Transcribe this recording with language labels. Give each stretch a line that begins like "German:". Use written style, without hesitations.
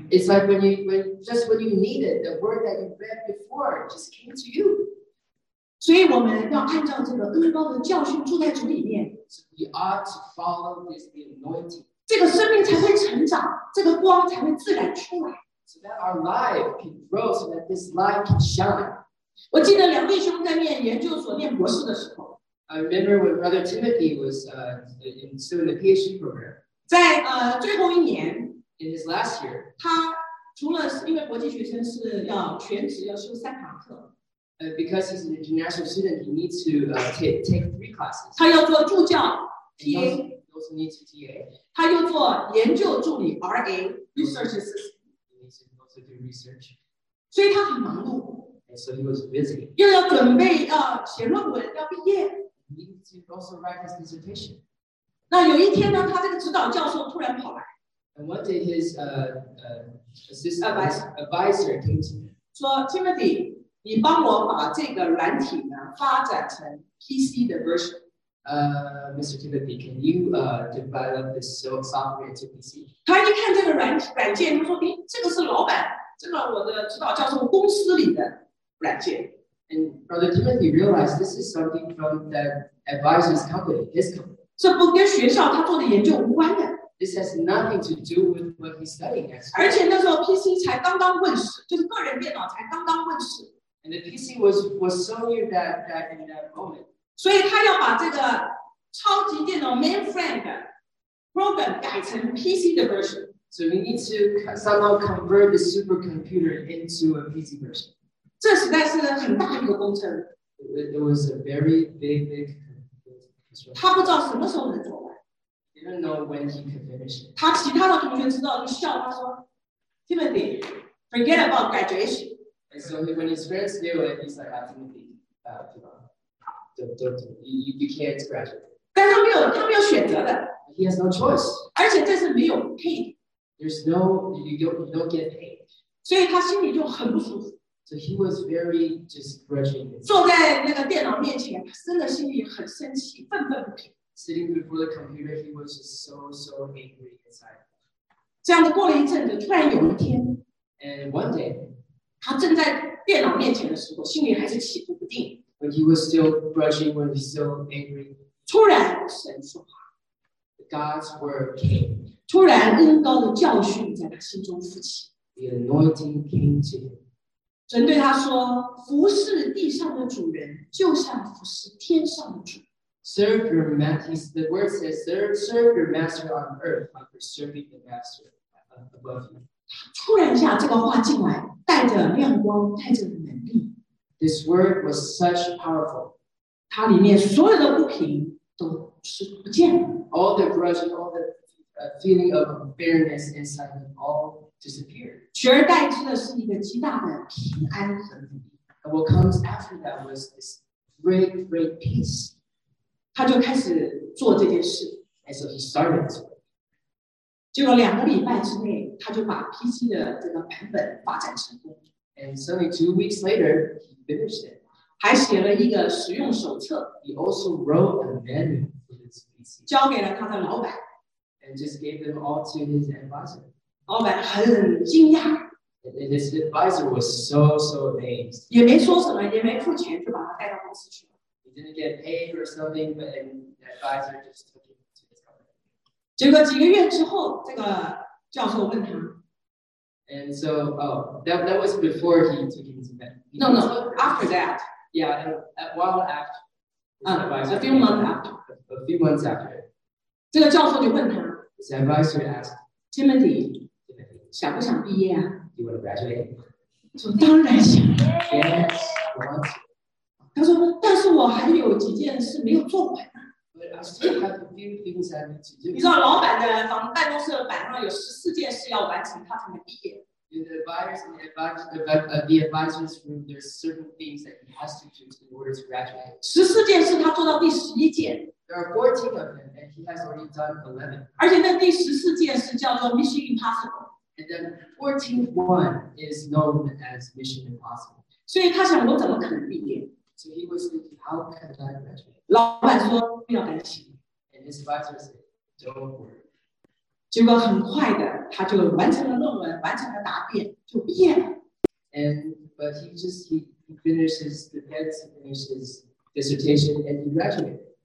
English: It's like when you need it, the word that you read before just came to you.
Chinese: 所以我们要按照这个恩膏的教训住在主里面.
English: So we ought to follow this anointing.
Chinese: 这个生命才会成长，这个光才会自然出来。So
English: that our life can grow, so that this light can shine.
Chinese: 我记得两弟兄在念研究所念博士的时候。
English: I remember when Brother Timothy was still in the PhD program.
Chinese: 在最后一年。In
English: his last year.
Chinese: 他除了因为博士学生是要全职要修三堂课。
English: Because he's an international student, he needs to take three classes.
Chinese: 他要做助教 PA.
English: Also needs a TA.
Chinese: 他又做研究助理 RA,
English: research assistant. He needs to also do research.
Chinese: 所以他很忙碌.
English: And so he was busy.
Chinese: 又要准备写论文，要毕业.
English: He needs to also write his dissertation.
Chinese: 那有一天呢，他这个指导教授突然跑来.
English: And one day his assistant advisor came to him.
Chinese: 说 Timothy, 你帮我把这个软体呢发展成 PC 的 version。
English: Mr. Timothy, can you develop this software to PC?
Chinese: 他一看这个软件，他说：“哎，这个是老板，这个我的指导教授公司里的软件。”
English: And Brother Timothy realized this is something from the advisor's company, his company.
Chinese: 这不跟学校他做的研究无关的。
English: This has nothing to do with what he's studying.
Chinese: 而且那时候 PC 才刚刚问世，就是个人电脑才刚刚问世。
English: And the PC was so new that in that moment.
Chinese: 所以他要把这个超级电脑
English: mainframe program
Chinese: 改成 PC 的 version.
English: So we need to somehow convert the supercomputer into a PC version.
Chinese: 这实在是很大一个工程。
English: It was a very big construction.
Chinese: 他不知道什么时候能做完。
English: He didn't know when he could finish.
Chinese: 他其他的同学知道就笑他说 ，Timothy,
English: forget about graduation. And so when his friends knew it, he's like, Timothy, You can't graduate.
Chinese: 但他没有选择的。
English: He has no choice.
Chinese: 而且这是没有 paid.
English: There's no, you don't get paid.
Chinese: 所以他心里就很不舒服。
English: So he was very just grudging.
Chinese: 坐在那个电脑面前，他真的心里很生气，愤愤不平。
English: Sitting before the computer, he was just so angry inside.
Chinese: 这样子过了一阵子，突然有一天
English: ，And one day,
Chinese: 他正在电脑面前的时候，心里还是起伏不定。
English: When he was still grudging, when he was still angry,
Chinese: 突然神说话
English: God's word came.
Chinese: 突然恩膏的教训在他心中浮起
English: The anointing came to him.
Chinese: 神对他说，服侍地上的主人，就像服侍天上的主。
English: Serve your master. The word says, serve your master on earth, like you're serving the master above you.
Chinese: 突然下这个话进来，带着亮光，带着能力。
English: This word was such powerful.
Chinese: 它里面所有的不平都是不见了。
English: All the grudge, all the feeling of bitterness inside them all disappeared.
Chinese: 取而代之的是一个极大的平安和平安。
English: And what comes after that was this great, great peace.
Chinese: 他就开始做这件事。
English: And so he started this work.
Chinese: 结果两个礼拜之内，他就把 PC 的这个版本发展成功。
English: And suddenly, 2 weeks later, he finished it.
Chinese: 还写了一个使用手册。
English: He also wrote a manual for this PC.
Chinese: 交给了他的老板。
English: And just gave them all to his advisor.
Chinese: 老板很惊讶。
English: And his advisor was so amazed.
Chinese: 也没说什么，也没付钱，就把他带到公司去了。
English: He didn't get paid or something, but the advisor just took him to his company.
Chinese: 结果几个月之后，这个教授问他。
English: And so, that was before he took him to bed. No, after that. Yeah, a while after. A few months after.
Chinese: 这个教授就问他。
English: His advisor asked.
Chinese: Timothy, 想不想毕业啊？
English: You want to graduate?
Chinese: 说当然想。
English: Yes, I want to.
Chinese: 他说，但是我还有几件事没有做完啊。
English: But I still have a few things I need to do.
Chinese: 你知道老板的办公室板上有14件事要完成，他才能毕业。
English: In the advisor's advisor's room, there's certain things that he has to do in order to graduate.
Chinese: 14件事他做到第11件。
English: There are 14 of them, and he has already done 11.
Chinese: 而且那第14件事叫做 Mission Impossible.
English: And then 14th one is known as Mission Impossible.
Chinese: 所以他想，我怎么可能毕业？
English: So he was thinking, how can I graduate?
Chinese: 老板说不要担心。
English: And his advisor said, don't worry.
Chinese: 结果很快的，他就完成了论文，完成了答辩，就毕业了。
English: But he finishes the test, finishes dissertation, and he graduated.